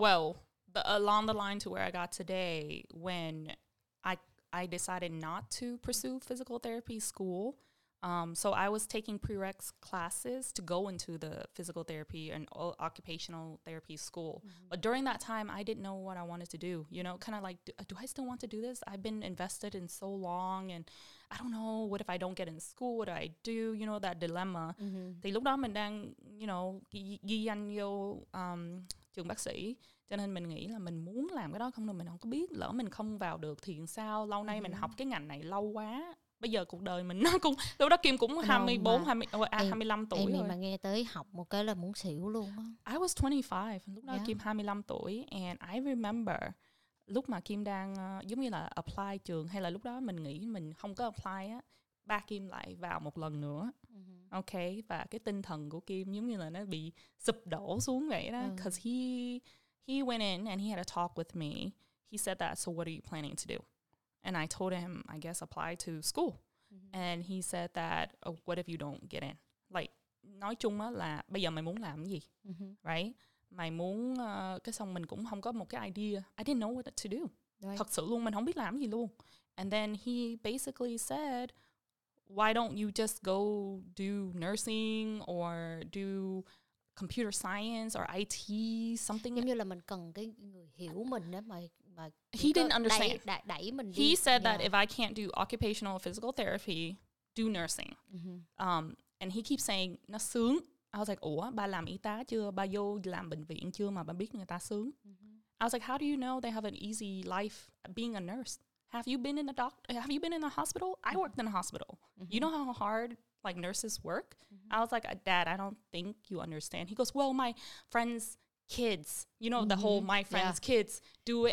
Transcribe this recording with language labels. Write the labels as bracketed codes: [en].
[en] Well, along the line to where I got today, when I decided not to pursue physical therapy school, so I was taking prereqs classes to go into the physical therapy and occupational therapy school. Mm-hmm. But during that time, I didn't know what I wanted to do. You know, kind of like, do I still want to do this? I've been invested in so long, and I don't know, what if I don't get in school? What do I do? You know, that dilemma. [vi] They lúc đó mình đang, you know, ghi danh vô trường bác sĩ. Cho nên mình nghĩ là mình muốn làm cái đó không, mình không có biết. Lỡ mình không vào được thì sao? Lâu nay mình học cái ngành này lâu quá. Bây giờ cuộc đời mình nó cũng, lúc đó Kim cũng 25 tuổi Amy rồi. Mà nghe tới học một cái là muốn xỉu luôn á. [en] I was 25, [vi] lúc đó Kim 25 tuổi. [en] And I remember [vi] lúc mà Kim đang giống như là apply trường, hay là lúc đó mình nghĩ mình không có apply á, ba Kim lại vào một lần nữa. Ok, và cái tinh thần của Kim giống như là nó bị sụp đổ xuống vậy đó. [en] Because he went in and he had a talk with me. He said that, so what are you planning to do? And I told him, I guess, apply to school. And he said that, oh, what if you don't get in? [vi] Like, nói chung là bây giờ mày muốn làm gì? Right? Mày muốn, cái xong mình cũng không có một cái idea. [en] I didn't know what to do. Right. [vi] Thật sự luôn, mình không biết làm gì luôn. [en] And then he basically said, why don't you just go do nursing or do computer science or IT, something. [vi] Giống như là mình cần cái người hiểu mình đó mà. [en] He didn't understand. [vi] Đẩy mình đi. [en] He said that if I can't do occupational physical therapy, do nursing. And he keeps saying, [vi] nó sướng. [en] I was like, [vi] ủa, ba làm y tá chưa? Ba vô làm bệnh viện chưa mà ba biết người ta sướng? [en] I was like, how do you know they have an easy life being a nurse? Have you been in a doctor? Have you been in a hospital? I worked in a hospital. You know how hard, like, nurses work? I was like, Dad, I don't think you understand. He goes, well, my friend's kids, you know, the whole my friend's kids do it.